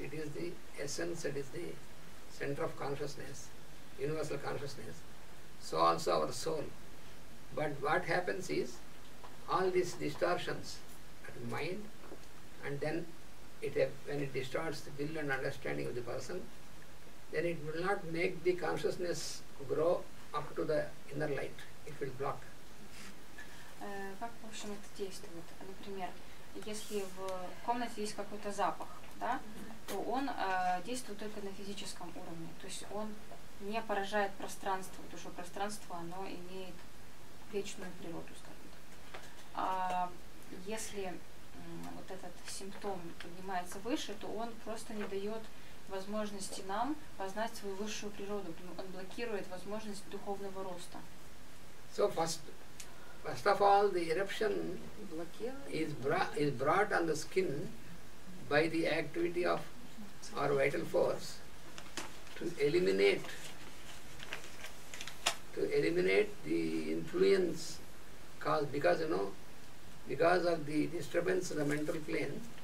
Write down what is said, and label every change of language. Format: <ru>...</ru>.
<en>It is the essence, it is the center of consciousness, universal consciousness, so also our soul. But what happens is all these distortions and mind, and then it when it distorts the will and understanding of the person, then it will not make the consciousness grow up to the inner light. It will block.</en> <ru>Как, в общем, это действует? Например, если в комнате есть какой-то запах, да, то он действует только на физическом уровне. То есть он не поражает пространство, потому что пространство, оно имеет вечную природу, скажем так. А если вот этот симптом поднимается выше, то он просто не дает возможности нам познать свою высшую природу. Он блокирует возможность духовного роста.</ru> <en>So fast. First of all, the eruption is brought on the skin by the activity of our vital force to eliminate the influence because of the disturbance of the mental plane.</en>